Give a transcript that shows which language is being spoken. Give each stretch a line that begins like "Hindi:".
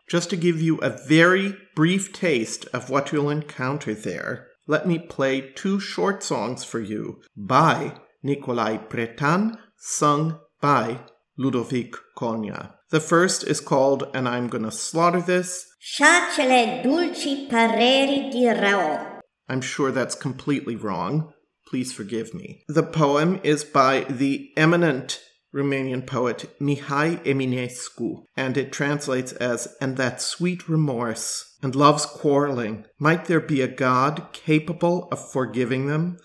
English: Just to give you a very brief taste of what you'll encounter there, let me play two short songs for you by Nicolae Bretan, sung by Ludovic Konya. The first is called, and I'm going to slaughter this,
Romanian: Șacele dulci păreri di rău.
English: I'm sure that's completely wrong. Please forgive me. The poem is by the eminent Romanian poet Mihai Eminescu, and it translates as, and that sweet remorse and love's quarreling, might there be a God capable of forgiving them?